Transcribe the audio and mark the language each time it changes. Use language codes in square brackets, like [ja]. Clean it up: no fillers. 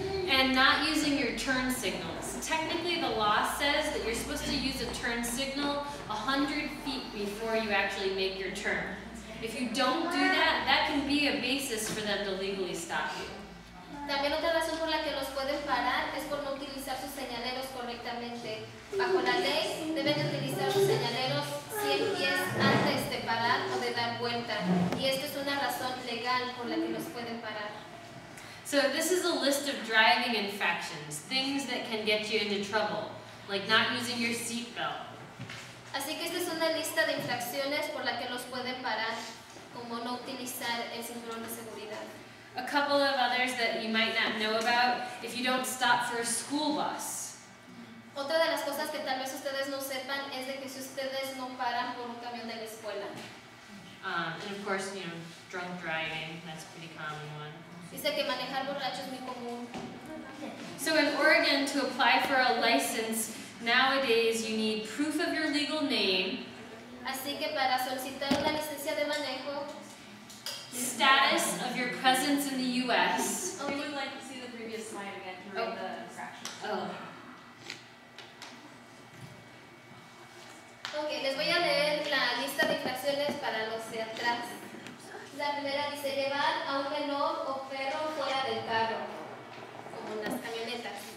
[en] And not using your turn signals. Technically, the law says that you're supposed to use a turn signal 100 feet before you actually make your turn. If you don't do that, that can be a basis for them to legally stop you. [es] También otra razón por la que los pueden parar es por no utilizar sus señaleros correctamente. Bajo la ley, deben utilizar sus señaleros 100 pies antes de parar o de dar vuelta. Y esto es una razón legal por la que los pueden parar. [en] So this is a list of driving infractions, things that can get you into trouble, like not using your seatbelt. [es] Así que esta es una lista de infracciones por la que los pueden parar, como no utilizar el cinturón de seguridad. [en] A couple of others that you might not know about, if you don't stop for a school bus. [es] Otra de las cosas que tal vez ustedes no sepan es de que si ustedes no paran por un camión de la escuela. [en] And of course, you know, drunk driving, that's a pretty common one. [es] Dice que manejar borracho es muy común. [en] So in Oregon, to apply for a license, nowadays you need proof of your legal name. [es] Así que para solicitar la licencia de manejo, [en] status of your presence in the U.S. Okay. We would like to see the previous slide again to read the infractions. [es] Okay, les voy a leer la lista de infracciones para los de atrás. La primera dice llevar a un menor o perro fuera del carro, como unas camionetas.